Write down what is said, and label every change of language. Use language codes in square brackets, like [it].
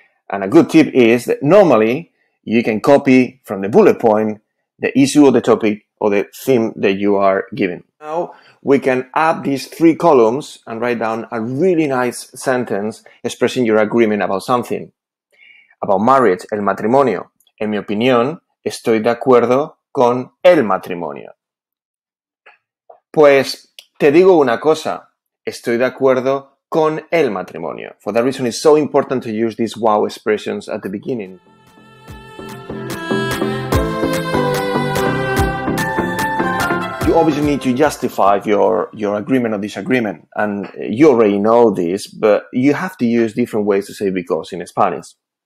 [en] And a good tip is that normally you can copy from the bullet point the issue or the topic or the theme that you are giving. Now we can add these three columns and write down a really nice sentence expressing your agreement about something. About marriage, el matrimonio. [es] En mi opinión, estoy de acuerdo con el matrimonio. Pues te digo una cosa, estoy de acuerdo con el matrimonio. [en] For that reason, it's so important to use these wow expressions at the beginning. You obviously need to justify your agreement or disagreement, and you already know this, but you have to use different ways to say because in Spanish.